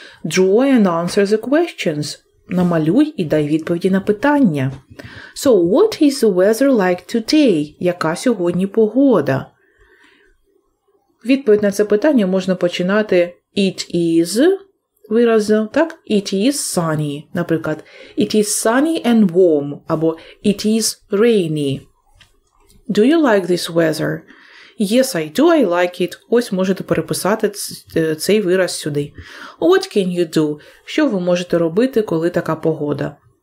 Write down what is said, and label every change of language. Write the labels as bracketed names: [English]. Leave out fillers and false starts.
[English] Draw and answer the questions. [Ukrainian] Намалюй і дай відповіді на питання. [English] So, what is the weather like today? [Ukrainian] Яка сьогодні погода? Відповідь на це питання можна починати [English] it is [Ukrainian] виразом, так? [English] It is sunny, [Ukrainian] наприклад. [English] It is sunny and warm, [Ukrainian] або [English] it is rainy. Do you like this weather? Yes, I do, I like it. [Ukrainian] Ось можете переписати цей вираз сюди. [English] What can you do? [Ukrainian] Що ви можете робити, коли така погода?